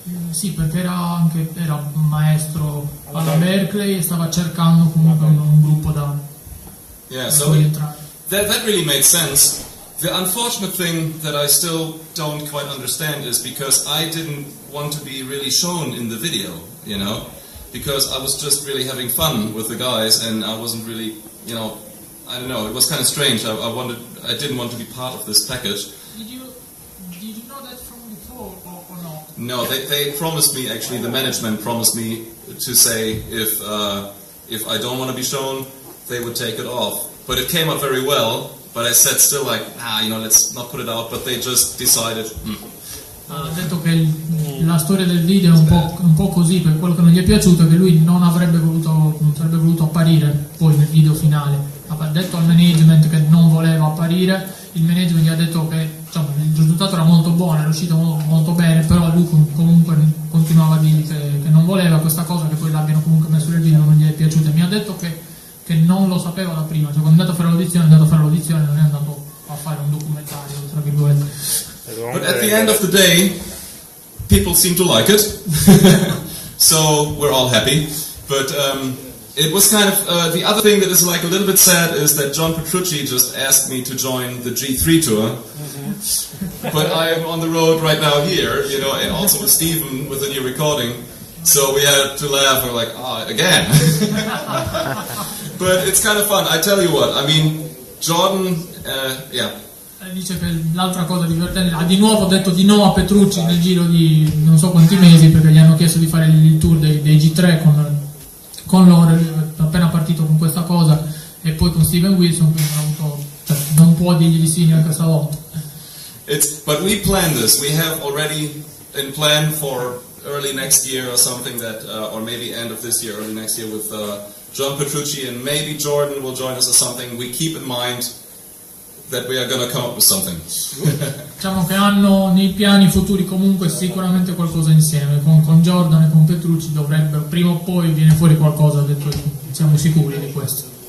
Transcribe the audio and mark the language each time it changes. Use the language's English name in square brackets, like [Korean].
[Italian] Sì, perché era un maestro alla Berklee e stava cercando comunque un gruppo da entrare. [English] That really made sense. The unfortunate thing that I still don't quite understand is because I didn't want to be really shown in the video, you know, because I was just really having fun with the guys and I wasn't really, you know, I don't know, it was kind of strange. I didn't want to be part of this package. Did you know that from before or not? No, they promised me, actually, the management promised me to say if I don't want to be shown, they would take it off. But it came out very well. But I said still, like, you know, let's not put it out, but they just decided. [Italian] Ha detto che la storia del video è un po' così, per quello che non gli è piaciuto, che lui non sarebbe voluto apparire poi nel video finale. Ha detto al management che non voleva apparire, il management gli ha detto che, diciamo, il risultato era molto buono, era uscito molto bene, però lui comunque continuava a dire che non voleva questa cosa, che poi l'abbiano comunque messo nel video, non gli è piaciuta. Mi ha detto che non lo sapeva da prima, cioè quando è andato a fare l'audizione non è andato a fare un documentario, tra virgolette. [English] But at the end of the day, people seem to like it, so we're all happy. But it was kind of the other thing that is like a little bit sad is that John Petrucci just asked me to join the G3 tour. But I am on the road right now here, you know, and also with Stephen with a new recording. So we had to laugh. We're like, again. But it's kind of fun. I tell you what. I mean, Jordan. [Italian] Dice che l'altra cosa divertente, ha di nuovo detto di no a Petrucci nel giro di non so quanti mesi, perché gli hanno chiesto di fare il tour dei G3 con loro, appena partito con questa cosa, e poi con Steven Wilson, che non ha avuto, cioè, non può dirgli di sì neanche stavolta. [English] But we plan this, we have already in plan for early next year or something, that or maybe end of this year, early next year, with John Petrucci, and maybe Jordan will join us or something. We keep in mind that we are going to come up with something. [Italian] Diciamo che hanno nei piani futuri comunque sicuramente qualcosa insieme, con Jordan e con Petrucci dovrebbe, prima o poi viene fuori qualcosa, detto, siamo sicuri di questo.